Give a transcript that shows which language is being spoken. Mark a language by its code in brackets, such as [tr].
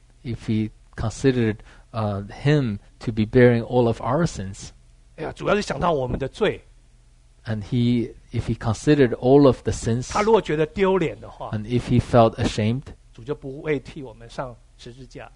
[en] If he considered him to be bearing all of our sins. [zh] 哎呀，主要是想到我们的罪。 [en] And he, if he considered all of the sins, [zh] 他如果觉得丢脸的话, [en] and if he felt ashamed, [zh] 主就不会替我们上十字架,